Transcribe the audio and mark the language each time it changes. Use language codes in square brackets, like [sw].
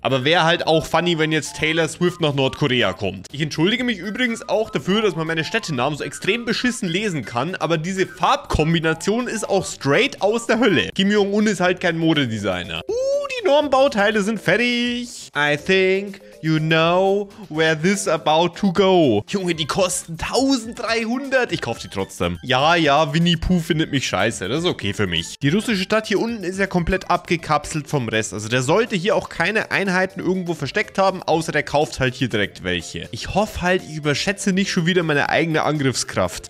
[de] Aber wäre halt auch funny, wenn jetzt Taylor Swift nach Nordkorea kommt. Ich entschuldige mich übrigens auch dafür, dass man meine Städtenamen so extrem beschissen lesen kann, aber diese Farbkombination ist auch straight aus der Hölle. Kim Jong-un ist halt kein Modedesigner. Die Normbauteile sind fertig. [en] I think you know where this about to go. [de] Junge, die kosten 1300. Ich kaufe die trotzdem. Ja, ja, Winnie Pooh findet mich scheiße. Das ist okay für mich. Die russische Stadt hier unten ist ja komplett abgekapselt vom Rest. Also der sollte hier auch keine Einheiten irgendwo versteckt haben, außer der kauft halt hier direkt welche. Ich hoffe halt, ich überschätze nicht schon wieder meine eigene Angriffskraft.